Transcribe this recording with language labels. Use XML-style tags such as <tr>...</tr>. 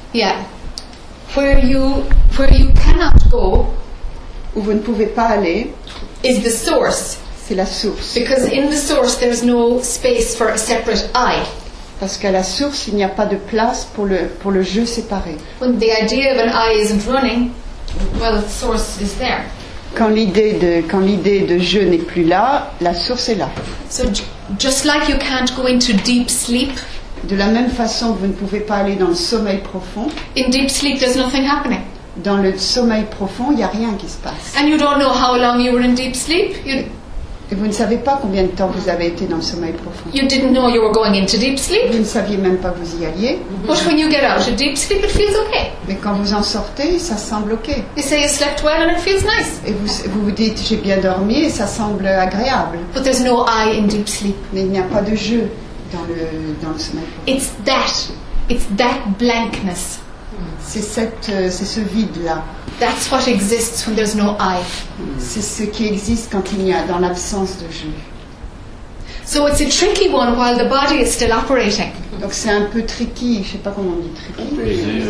<en>Yeah. Where you cannot go...</en> <fr>Où vous ne pouvez pas aller,</fr> <en>is the source.</en> <fr>C'est la source.</fr> <en>Because in the source there is no space for a separate I.</en> <fr>Parce qu'à la source il n'y a pas de place pour le je séparé.</fr> <en>When the idea of an I isn't running, well, the source is there.</en> <fr>Quand l'idée de je n'est plus là, la source est là.</fr> <en>So just like you can't go into deep sleep.</en> <fr>De la même façon que vous ne pouvez pas aller dans le sommeil profond.</fr> <en>In deep sleep there's nothing happening.</en> <fr>Dans le sommeil profond, il n'y a rien qui se passe.</fr> <en>And you don't know how long you were in deep sleep.</en> <fr>Et vous ne savez pas combien de temps vous avez été dans le sommeil profond.</fr> <en>You didn't know you were going into deep sleep.</en> <fr>Vous ne saviez même pas que vous y alliez.</fr> <en>But when you get out of deep sleep, it feels okay.</en> <fr>Mais quand vous en sortez, ça semble ok.</fr> <en>You say you slept well and it feels nice.</en> <fr>Et vous vous dites j'ai bien dormi et ça semble agréable.</fr> <en>But there's no I in deep sleep.</en> <fr>Mais il n'y a pas de jeu dans le sommeil profond.</fr> <en>It's that blankness.</en> <fr>C'est ce vide là.</fr> <en>That's what exists when there's no I.</en> <fr>C'est ce qui existe quand il y a dans l'absence de je.</fr> <en>So it's a tricky one while the body is still operating.</en> <fr>Donc c'est un peu tricky, je sais pas comment on dit tricky.</fr>